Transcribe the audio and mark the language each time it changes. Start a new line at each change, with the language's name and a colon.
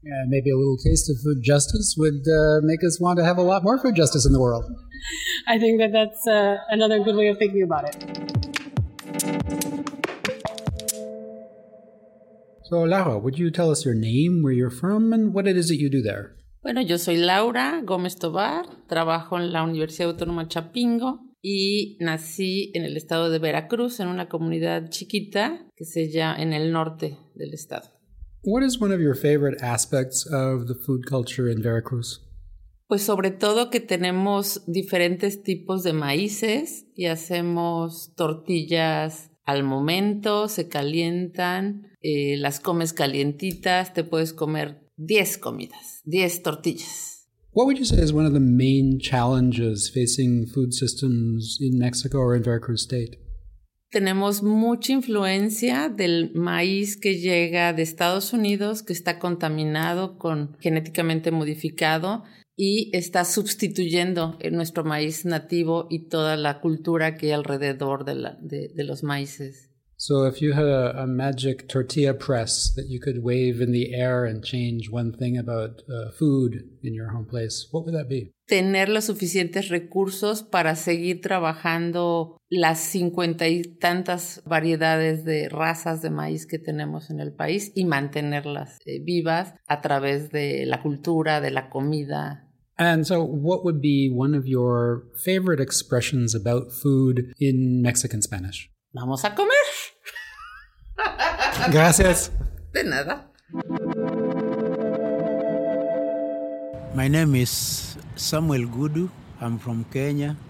English: Yeah, maybe a little taste of food justice would make us want to have a lot more food justice in the world. I think that's another good way of thinking about it. So, Laura, would you tell us your name, where you're from, and what it is that you do there?
Spanish: Bueno, yo soy Laura Gómez Tobar. Trabajo en la Universidad Autónoma Chapingo. Y nací en el estado de Veracruz, en una comunidad chiquita que se llama en el norte del estado.
English: What is one of your favorite aspects of the food culture in Veracruz?
Spanish: Pues sobre todo que tenemos diferentes tipos de maíces y hacemos tortillas al momento, se calientan, las comes calientitas, te puedes comer 10 comidas, 10 tortillas.
English: What would you say is one of the main challenges facing food systems in Mexico or in Veracruz State?
Spanish: Tenemos mucha influencia del maíz que llega de Estados Unidos, que está contaminado con genéticamente modificado y está sustituyendo nuestro maíz nativo y toda la cultura que hay alrededor de los maíces.
English: So if you had a magic tortilla press that you could wave in the air and change one thing about food in your home place, what would that be?
Spanish: Tener los suficientes recursos para seguir trabajando las 50 y tantas variedades de razas de maíz que tenemos en el país y mantenerlas vivas a través de la cultura, de la comida.
English: And so what would be one of your favorite expressions about food in Mexican Spanish?
Spanish: Vamos a comer. Gracias. De nada.
English: My name is Samuel Gudu. I'm from Kenya.